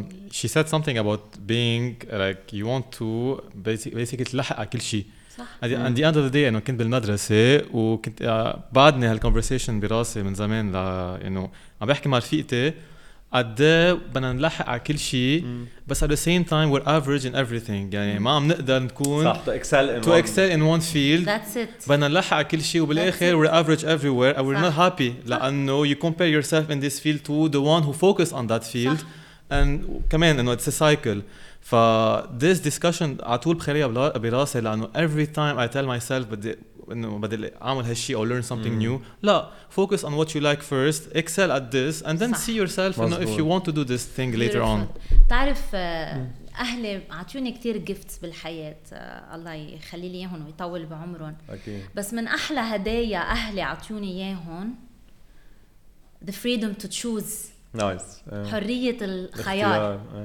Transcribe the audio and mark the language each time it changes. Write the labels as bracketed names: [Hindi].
[English] She said something about being like you want to basically [Arabic] تلحق على كل شيء. صح. [English] At the end of the day, [Arabic] أنا كنت بالمدرسة وكنت بعدني هالconversation براسي من زمان ل عم بحكي مع رفيقتي قد بدنا نلحق على كل شيء بس [English] at the same time we're average in everything. [Arabic] يعني ما عم نقدر نكون صح [English] to excel in, to one. Excel in one field. That's it. [Arabic] بدنا نلحق على كل شيء وبالآخر [English] we're average everywhere and we're [Arabic] صح. [English] not happy [Arabic] صح. [English] لأنه you compare yourself in this field to the one who focus on that field [Arabic] صح. [English] and [Arabic] كمان إنه [English] it's a cycle. ف this discussion [Arabic] عطول بخليها براسي لأنه [English] every time I tell myself [Arabic] بدي إنه بدي أعمل هالشيء أو [English] learn something new. [Arabic] لا, [English] focus on what you like first, excel at this, and then [Arabic] صح. [English] see yourself. You know, if you want to do this thing later on. [Arabic] تعرف أهلي عطوني كتير gifts بالحياة, الله يخلي لي إياهم ويطول بعمرهم. [English] Okay. [Arabic] بس من أحلى هدايا أهلي عطوني إياهم [English] the freedom to choose. Nice. [Arabic] حرية الخيار.